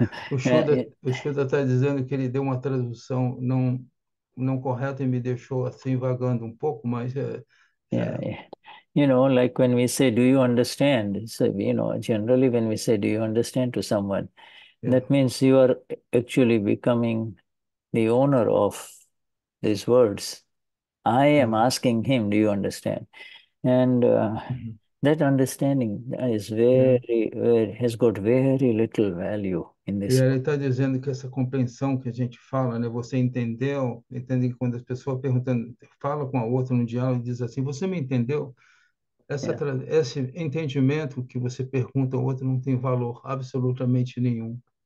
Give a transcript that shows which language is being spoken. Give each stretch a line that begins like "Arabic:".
Portuguese: O Shuddha está dizendo que ele deu uma tradução não correta e me deixou assim vagando um pouco, mas
English: You know, like when we say, do you understand? So, you know, generally when we say, do you understand to someone, that means you are actually becoming the owner of these words. I am asking him, do you understand? And that understanding is has got very little value in
Portuguese: E
English: this.
Portuguese: ele está dizendo que essa compreensão que a gente fala, né? Você entendeu? Entende quando as pessoas perguntando, fala com a outra no diálogo e diz assim: você me entendeu? Esse entendimento que você pergunta ao outro não tem valor absolutamente nenhum.